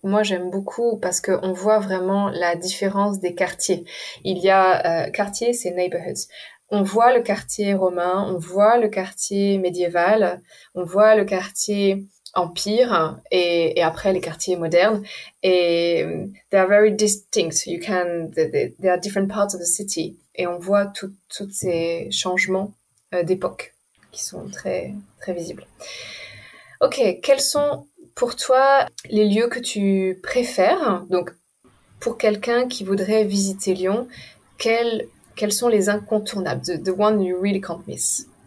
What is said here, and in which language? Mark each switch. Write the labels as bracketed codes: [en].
[fr] Moi, j'aime beaucoup parce qu'on voit vraiment la différence des quartiers. Il y a... quartier, c'est « neighborhoods ». On voit le quartier romain, on voit le quartier médiéval, on voit le quartier empire et après les quartiers modernes. [en] Et they are very distinct. You can, they are different parts of the city. [fr] Et on voit tous ces changements d'époque qui sont très, très visibles. Ok, quels sont pour toi les lieux que tu préfères? Donc, pour quelqu'un qui voudrait visiter Lyon, quels sont les incontournables, [en] the one you really can't miss?